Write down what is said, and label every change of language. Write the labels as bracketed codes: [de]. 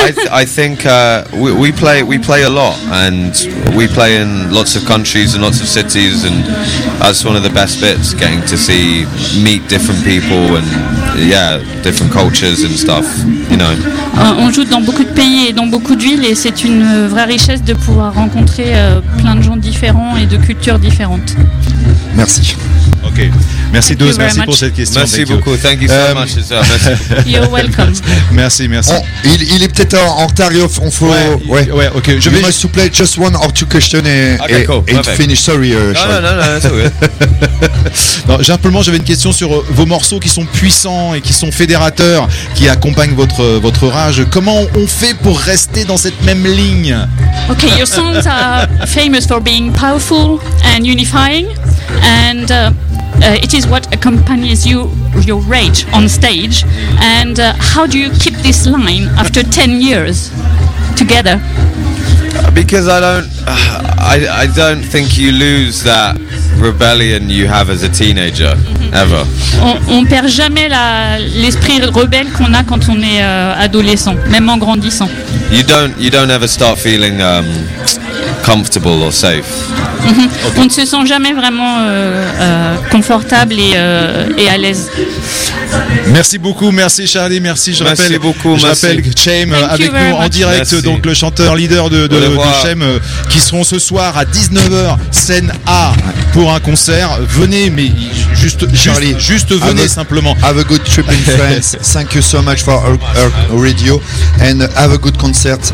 [en] I think we play a lot, and we play in lots of countries and lots of cities, and that's one of the best bits, getting to see, meet different people and, yeah, different cultures and stuff, you know. [fr] On joue dans beaucoup de pays et dans beaucoup de villes, et c'est une vraie richesse de pouvoir rencontrer plein de gens différents et de cultures différentes. Merci. Ok. Merci Deuze, merci pour cette question. [en] Merci beaucoup, thank you so much. You're welcome. [fr] Merci. Il est peut-être en retard, il faut... Ouais, ok. Je vais juste poser just one or two questions et finir. Sorry, Charles. Non, c'est ok. Simplement, j'avais une question sur vos morceaux qui sont puissants et qui sont fédérateurs, qui accompagnent votre rage. Comment on fait pour rester dans cette même ligne? [en] Ok, your songs are famous for being powerful and unifying. And it is what accompanies you, your rage on stage. And how do you keep this line after 10 years together? Because I don't think you lose that rebellion you have as a teenager. Mm-hmm. ever. [fr] On perd jamais l'esprit rebelle qu'on a quand on est adolescent, même en grandissant. [en] You don't ever start feeling comfortable or safe. [fr] Okay. On ne se sent jamais vraiment confortable et à l'aise. Merci beaucoup, merci Charlie, merci. Je rappelle Chaim avec nous en direct, merci. Donc le chanteur leader de Chaim qui seront ce soir à 19h scène A pour un concert. Venez, mais juste venez simplement. [en] Have a good trip in France. Thank you so much for our radio and have a good concert.